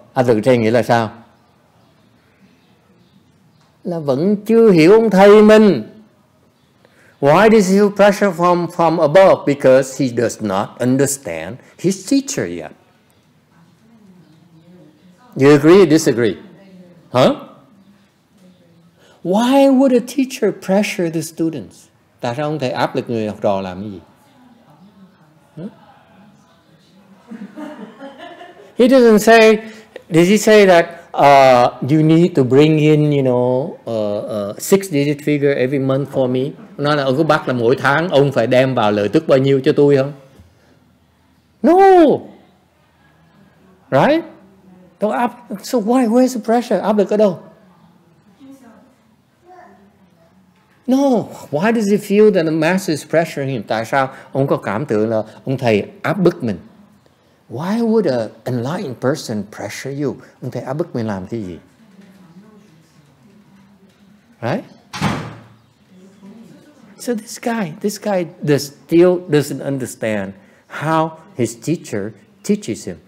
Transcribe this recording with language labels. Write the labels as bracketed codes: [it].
[vi] Áp lực ở trên nghĩa là sao? Là vẫn chưa hiểu ông thầy mình. [en] Why does he feel pressure from above? Because he does not understand his teacher yet. You agree or disagree? Huh? Why would a teacher pressure the students? [vi] Tại sao ông thầy áp lực người học trò làm cái gì? [en] He doesn't say, does he say that you need to bring in, you know, a six-digit figure every month for me? [vi] Nói là ông cứ bắt là mỗi tháng ông phải đem vào lợi tức bao nhiêu cho tôi không? [en] No! Right? So why, where's the pressure? [vi] Áp lực ở đâu? [en] No, why does he feel that the master is pressuring him? [vi] Tại sao ông có cảm tưởng là ông thầy áp bức mình? [en] Why would an enlightened person pressure you? [vi] Ông thầy áp bức mình làm cái gì? [en] Right? So this guy still doesn't understand how his teacher teaches him.